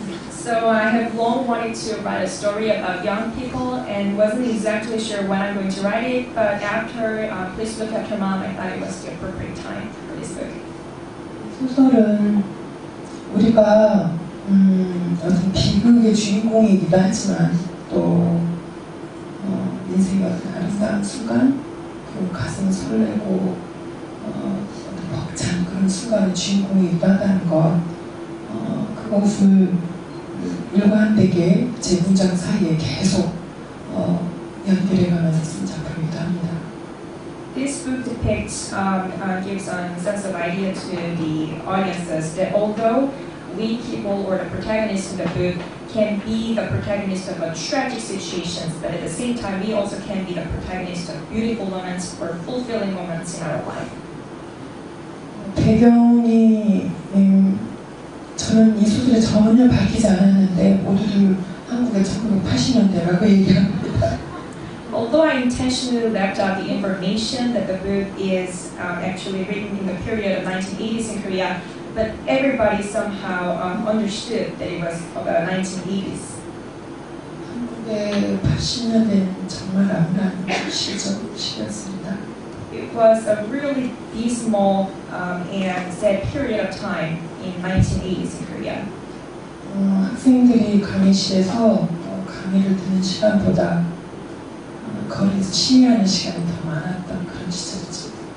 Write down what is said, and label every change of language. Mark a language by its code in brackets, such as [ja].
[en] So I have long wanted to write a story about young people and wasn't exactly sure when I'm going to write it, but after Please Look After Mom, I thought it was the appropriate time for this book. [ko] 소설은 우리가 어떤 비극의 주인공이기도 하지만 또 인생의 어떤 아름다운 순간 그 가슴 설레고 어떤 벅찬 그런 순간의 주인공이기도 하다는 것 그것을 일관되게 제 문장 사이에 계속 연결해가면서 쓴 작품이기도 합니다. [en] This book depicts, gives a sense of idea to the audiences that although we people or the protagonist in the book can be the protagonist of a tragic situations, but at the same time, we also can be the protagonist of beautiful moments or fulfilling moments in our life. [ko] 배경이 저는 이 소설에 전혀 밝히지 않았는데 모두들 한국의 1980년대라고 얘기합니다. [en] Although I intentionally left out the information that the book is actually written in the period of 1980s in Korea, but everybody somehow understood that it was about 1980s. [ko] 한국의 80년대는 정말 아무런 시절이었습니다. [en] It was a really dismal and sad period of time in 1980s in Korea. [ko] 학생들이 강의실에서 강의를 듣는 시간보다 거리에서 시위하는 시간이 더 많았던 그런 시절이죠.